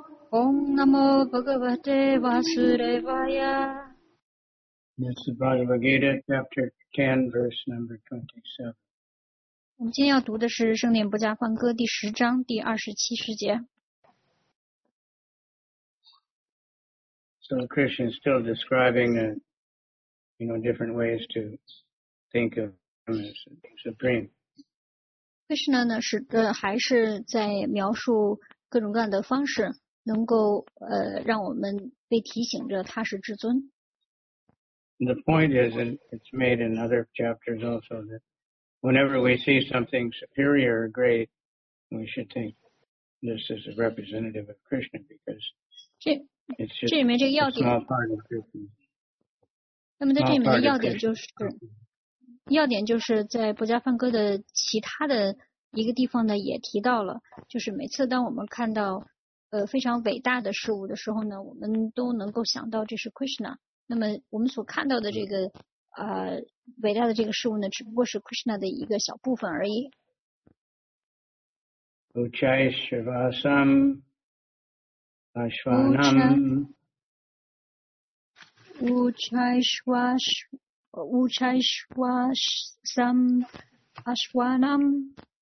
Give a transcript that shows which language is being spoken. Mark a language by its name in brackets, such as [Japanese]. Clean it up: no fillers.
[Sanskrit] Om Namo Bhagavate Vasudevaya. [English] This is Bhagavad Gita, chapter 10, verse number 27. [Chinese] 我们今天要读的是《圣念不加梵歌》第十章第二十七十节。 [English] So Krishna is still describing a, you know, different ways to think of Him as supreme. [Chinese] Krishna 呢是还是在描述各种各样的方式，能够让我们被提醒着他是至尊。 [English] The point is, and it's made in other chapters also, that whenever we see something superior or great, we should think this is a representative of Krishna because it's just a small part of Krishna. [Chinese] 那么在这里面的要点就是，要点就是在不加梵歌的其他的。一个地方呢也提到了，就是每次当我们看到非常伟大的事物的时候呢，我们都能够想到这是 Krishna。那么我们所看到的这个伟大的这个事物呢，只不过是 Krishna 的一个小部分而已。 [Sanskrit] Uchai Shivasam Ashwanam Uchai Shivasam Ashwanam